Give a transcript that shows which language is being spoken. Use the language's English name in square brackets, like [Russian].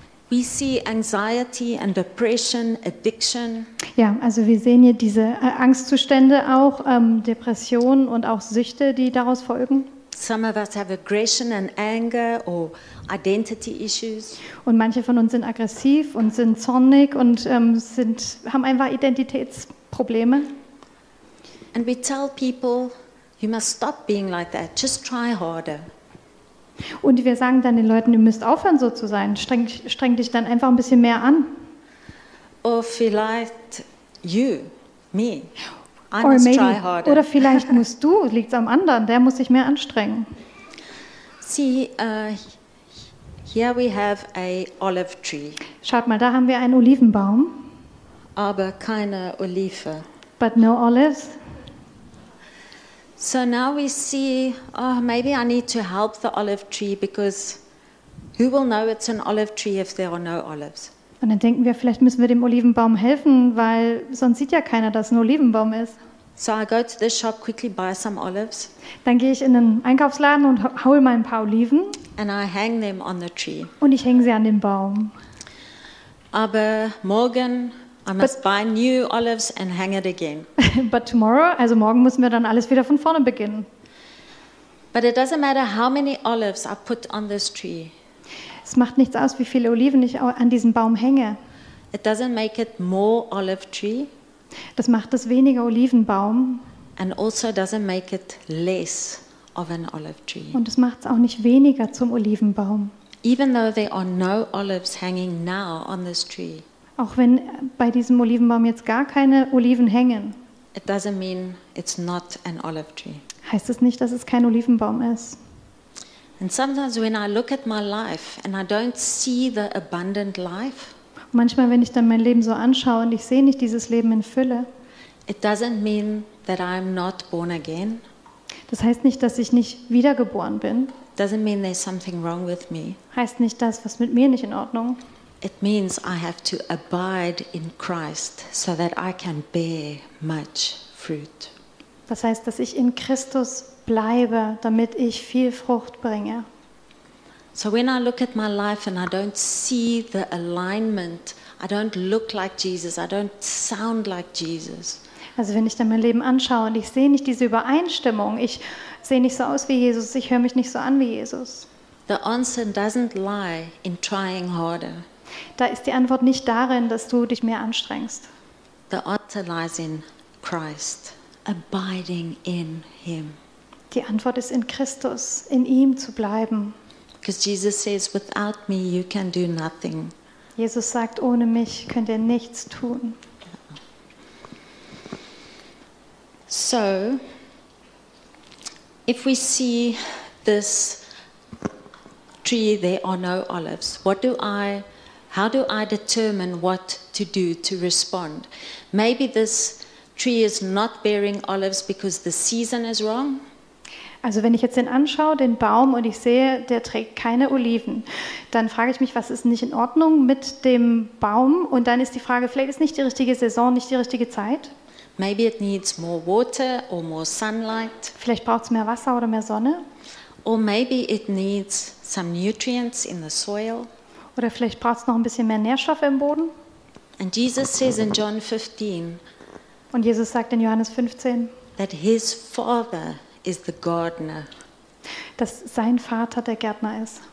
[English] We see anxiety and depression, addiction. [German] Ja, also wir sehen hier diese Angstzustände auch, Depressionen und auch Süchte, die daraus folgen. [English] Some of us have aggression and anger or identity issues. [German] Und manche von uns sind aggressiv und sind zornig und haben einfach Identitätsprobleme. [English] And we tell people, you must stop being like that. Just try harder. [German] Und wir sagen dann den Leuten, ihr müsst aufhören, so zu sein. Streng dich dann einfach ein bisschen mehr an. [English] Or [German] vielleicht [English] you, me. [German] Oder vielleicht musst du, liegt es am anderen, der muss sich mehr anstrengen. [English] See, here we have a olive tree. [German] Schaut mal, da haben wir einen Olivenbaum. Aber keine Olive. [English] But no olives. So now we see, oh, maybe I need to help the olive tree because who will know it's an olive tree if there are no olives? [German] Und dann denken wir, vielleicht müssen wir dem Olivenbaum helfen, weil sonst sieht ja keiner, dass es ein Olivenbaum ist. [English] So I go to the shop, quickly buy some olives. [German] Dann gehe ich in den Einkaufsladen und hole mal ein paar Oliven. [English] And I hang them on the tree. [German] Und ich hänge sie an den Baum. Aber morgen, [English] I must buy new olives and hang it again. But tomorrow, [German] also morgen müssen wir dann alles wieder von vorne beginnen. [English] But it doesn't matter how many olives I put on this tree. [German] Es macht nichts aus, wie viele Oliven ich an diesem Baum hänge. [English] It doesn't make it more olive tree. [German] Das macht es weniger Olivenbaum. [English] And also doesn't make it less of an olive tree. [German] Und es macht es auch nicht weniger zum Olivenbaum. [English] Even though there are no olives hanging now on this tree. [German] Auch wenn bei diesem Olivenbaum jetzt gar keine Oliven hängen. [English] It doesn't mean it's not an olive tree. [German] Heißt es nicht, dass es kein Olivenbaum ist? [English] And sometimes when I look at my life and I don't see the abundant life. [German] Manchmal, wenn ich dann mein Leben so anschaue und ich sehe nicht dieses Leben in Fülle. [English] It doesn't mean that I'm not born again. [German] Das heißt nicht, dass ich nicht wiedergeboren bin. [English] Doesn't mean there's something wrong with me. [German] Heißt nicht, dass was mit mir nicht in Ordnung. [English] It means I have to abide in Christ so that I can bear much fruit. [German] Das heißt, dass ich in Christus bleibe, damit ich viel Frucht bringe. [English] So when I look at my life and I don't see the alignment, I don't look like Jesus, I don't sound like Jesus. [German] Also wenn ich dann mein Leben anschaue und ich sehe nicht diese Übereinstimmung, ich sehe nicht so aus wie Jesus, ich höre mich nicht so an wie Jesus. [English] The answer doesn't lie in trying harder. [German] Da ist die Antwort nicht darin, dass du dich mehr anstrengst. [English] The answer lies in Christ, abiding in him. [German] Die Antwort ist in Christus, in ihm zu bleiben. [English] Because Jesus says, without me you can do nothing. [German] Jesus sagt, ohne mich könnt ihr nichts tun. [English] So, if we see this tree, there are no olives. How do I determine what to do to respond? Maybe this tree is not bearing olives because the season is wrong. [German] Also wenn ich jetzt den anschaue, den Baum, und ich sehe, der trägt keine Oliven, dann frage ich mich, was ist nicht in Ordnung mit dem Baum? Und dann ist die Frage, vielleicht ist nicht die richtige Saison, nicht die richtige Zeit. [English] Maybe it needs more water or more sunlight. [German] Vielleicht braucht es mehr Wasser oder mehr Sonne. [English] Or maybe it needs some nutrients in the soil. [German] Oder vielleicht braucht es noch ein bisschen mehr Nährstoffe im Boden. [English] And Jesus says in John 15. [German] Und Jesus sagt in Johannes 15. [English] That his father is the gardener. [German] Dass sein Vater der Gärtner ist.